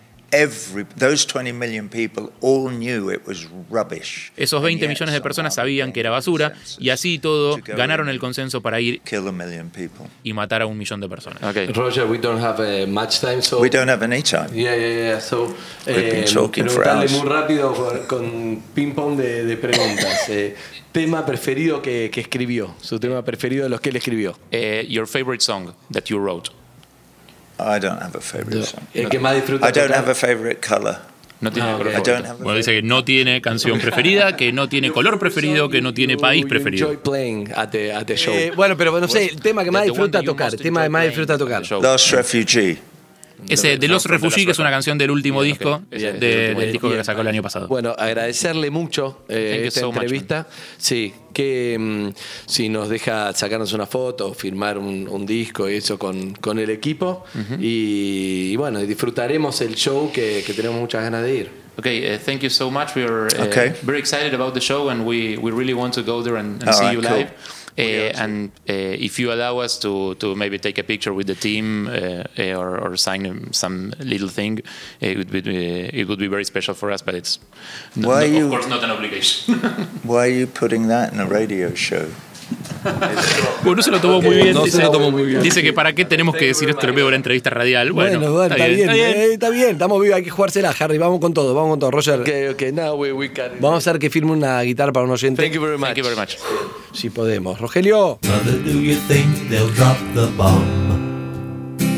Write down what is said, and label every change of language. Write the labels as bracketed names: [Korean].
[English] Those 20 million people all knew it was rubbish. [Spanish] Esos 20 millones de personas sabían que era basura y así todo ganaron el consenso para ir y matar a un millón de personas. [English] Okay. Roger, we don't have much time, so we don't have any time. Yeah. So we've been talking for hours. [Spanish] Muy rápido con ping pong de preguntas. Tema preferido que escribió. Su tema preferido de los que él escribió. [English] Your favorite song that you wrote. I don't have a favorite song. I don't have a favorite color. [Spanish] No tiene [English] color. I don't have a favorite. [Spanish] Dice que no tiene canción preferida, que no tiene color preferido, que no tiene país preferido. [English] Enjoy playing at the show. [Spanish] Bueno, pero no sé, el tema que más disfruta tocar, el tema que más disfruta tocar. [English] Lost Refugee. [Spanish] Ese de Los Refugees, que es una canción del último disco, del disco que sacó el año pasado. Bueno, agradecerle mucho esta entrevista. Sí, que si nos deja sacarnos una foto, firmar un disco y eso con el equipo. Uh-huh. Y bueno, disfrutaremos el show que tenemos muchas ganas de ir. [English] Okay, thank you so much. We are very excited about the show and we really want to go there and see you live. Cool. If you allow us to maybe take a picture with the team or sign some little thing, it would be very special for us. But it's of course not an obligation. Why are you putting that in a radio show? [Spanish] Bueno, se lo tomó muy bien. Dice que para qué tenemos que decir esto en medio de la entrevista radial. Bueno, está bien. Estamos vivos, hay que jugársela, Harry. Vamos con todo, Roger. [English] Okay, now we can. [Spanish] Vamos a hacer que firme una guitarra para un oyente. [English] Thank you very much. [Spanish] Si podemos, Rogelio. [English] Mother, do you think they'll drop the bomb?